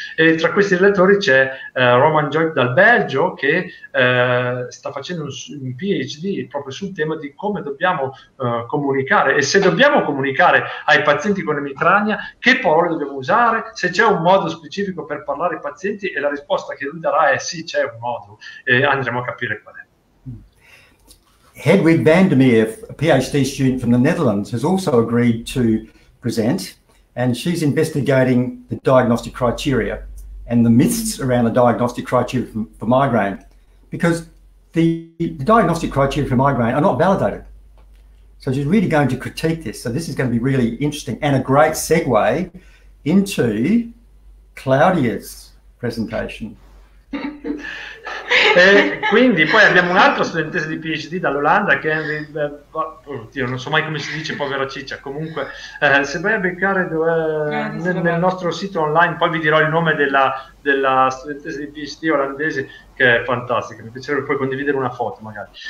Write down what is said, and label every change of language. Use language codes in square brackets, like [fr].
[it] E tra questi relatori c'è Roman Joy dal Belgio, che sta facendo un PhD proprio sul tema di come dobbiamo comunicare e se dobbiamo comunicare ai pazienti con emicrania, che parole dobbiamo usare, se c'è un modo specifico per parlare ai pazienti, e la risposta che lui darà è sì, c'è un modo, e andremo a capire qual è. [en] Hedwig van der Meer, a PhD student from the Netherlands, has also agreed to present, and she's investigating the diagnostic criteria and the myths around the diagnostic criteria for migraine, because the diagnostic criteria for migraine are not validated. So she's really going to critique this. So this is going to be really interesting and a great segue into Claudia's presentation. [it] E quindi poi abbiamo un'altra studentessa di PhD dall'Olanda, che oddio, non so mai come si dice, povera ciccia, comunque se vai a beccare nel nostro sito online, poi vi dirò il nome della studentessa di PhD olandese, che è fantastica, mi piacerebbe poi condividere una foto magari,